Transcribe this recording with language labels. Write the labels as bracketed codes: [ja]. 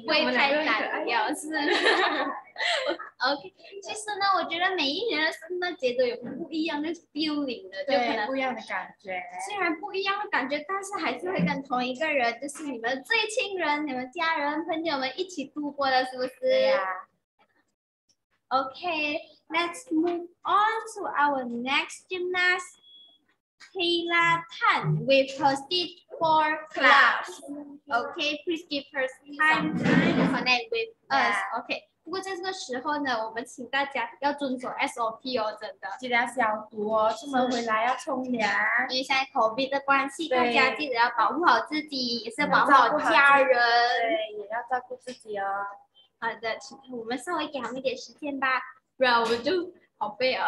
[zh] 会太单调，是。OK， 其实呢，我觉得每一年的圣诞节都有不一样的 feeling 的，就可能不一样的感觉。虽然不一样的感觉，但是还是会跟同一个人，就是你们最亲人、你们家人、朋友们一起度过的，是不是？对呀。 [en] OK， let's move on to our next gymnast, Kayla Tan with her stage four class. OK, please give her time to connect with us. OK. [zh] 不过在这个时候呢，我们请大家要遵守 SOP 哦，真的记得要消毒哦，出门回来要冲凉，因为现在 COVID 的关系，大家记得要保护好自己，也是保护好家人，对，也要照顾自己哦。好的，请我们稍微给他们一点时间吧，不然我们就好背哦。